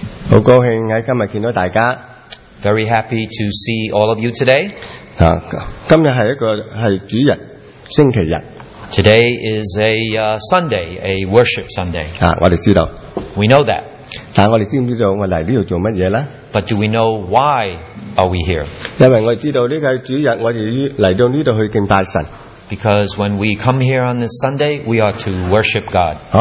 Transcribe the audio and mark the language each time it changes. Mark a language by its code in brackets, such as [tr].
[yue] 好高兴喺今日见到大家。 [en] Very happy to see all of you today. [yue] 今日系一个系主日，星期日。 [en] Today is a Sunday, a worship Sunday. [yue] 我哋知道。 [en] We know that. [yue] 但我哋知唔知道我嚟呢度做乜嘢咧？ [en] But do we know why are we here? [yue] 因为我哋知道呢个系主日，我哋嚟到呢度去敬拜神。 [en] Because when we come here on this Sunday, we are to worship God.